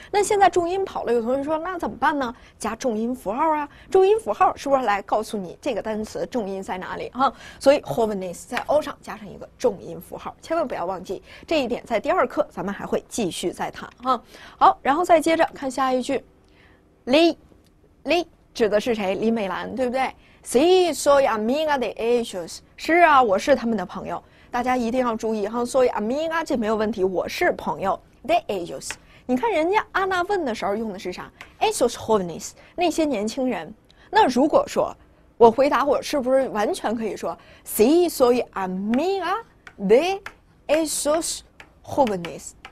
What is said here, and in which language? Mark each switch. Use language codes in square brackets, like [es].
[zh] 那现在重音跑了，有同学说那怎么办呢？加重音符号啊，重音符号是不是来告诉你这个单词重音在哪里哈？所以 jóvenes 在 o 上加上一个重音符号，千万不要忘记这一点，在第二课咱们还会继续再谈哈。好，然后再接着看下一句， Lee 指的是谁？李美兰，对不对？ [es] Si soy amiga de ellos， [zh] 是啊，我是他们的朋友。大家一定要注意哈，所以 amiga 这没有问题，我是朋友 [es] de ellos。 [zh] 你看人家阿娜问的时候用的是啥？ [es] esos jóvenes， [zh] 那些年轻人。那如果说我回答，我是不是完全可以说 [es] si soy amiga de esos jóvenes？